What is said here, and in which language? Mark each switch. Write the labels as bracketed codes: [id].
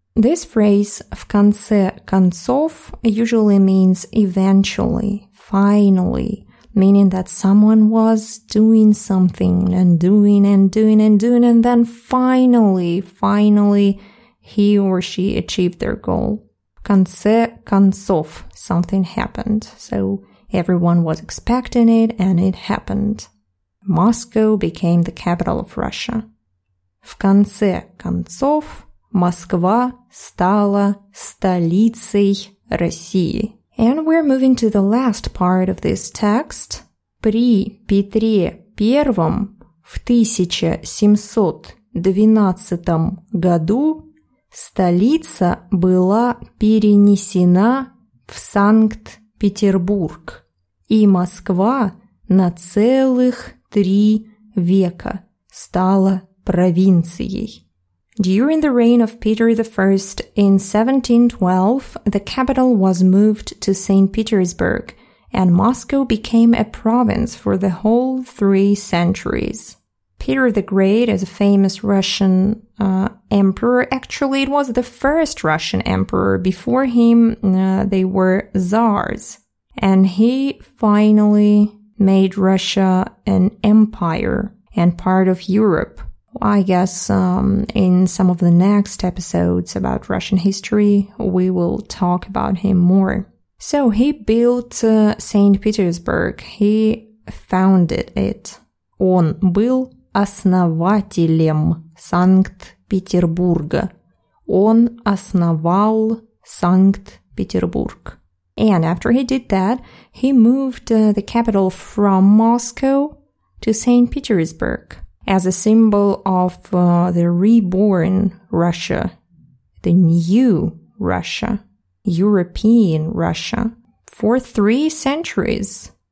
[en] This phrase [ru] в конце концов [en] usually means eventually, finally, meaning that someone was doing something and doing and doing and doing, and then finally, he or she achieved their goal. [ru] В конце концов, [en] something happened. So everyone was expecting it and it happened. Moscow became the capital of Russia. [ru] В конце концов, Москва стала столицей России. [en] And we're moving to the last part of this text. [ru] При Петре Первом в 1712 году столица была перенесена в Санкт-Петербург и Москва на целых 3 века стала провинцией. [en] During the reign of Peter I in 1712, the capital was moved to St. Petersburg, and Moscow became a province for the whole 3 centuries. Peter the Great is a famous Russian emperor. Actually, it was the first Russian emperor. Before him, they were czars. And he finally made Russia an empire and part of Europe. I guess in some of the next episodes about Russian history, we will talk about him more. So he built St. Petersburg. He founded it. [ru] Он был основателем Санкт-Петербурга. Он основал Санкт-Петербург. [en] And after he did that, he moved the capital from Moscow to St. Petersburg as a symbol of the reborn Russia, the new Russia, European Russia, for 3 centuries.